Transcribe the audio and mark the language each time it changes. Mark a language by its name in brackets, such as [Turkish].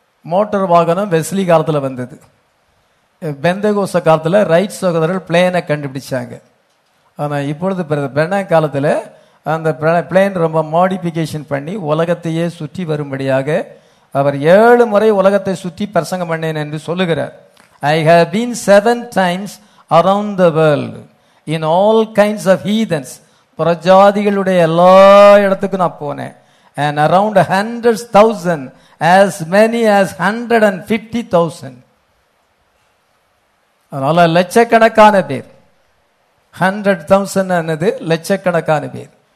[Tamil] Motor வாகனம் Wesley காலத்தில் வந்தது. பெந்தகோச காலத்தில் ரைட் சகோதரர்கள் பிளேனை கண்டுபிடிச்சாங்க. ஆனால் இப்பொழுது பிரதர் பிரணாம் காலத்தில் அந்த பிளேன் ரொம்ப மாடிஃபிகேஷன் பண்ணி உலகத்தையே சுற்றி வரும்படியாக அவர் 7 முறை உலகத்தை சுற்றி பிரசங்கம் பண்ணேன் என்று சொல்லுகிறார். [English] I have been 7 times around the world in all kinds of heathens. [Tamil] பிரஜாதிகளுடைய எல்லா இடத்துக்கும் நான் போனேன். [English] And around 100,000, as many as 150,000. [Tamil] அதனால லட்சக்கணக்கான பேர். 100,000 என்னது லட்சக்கணக்கான பேர்.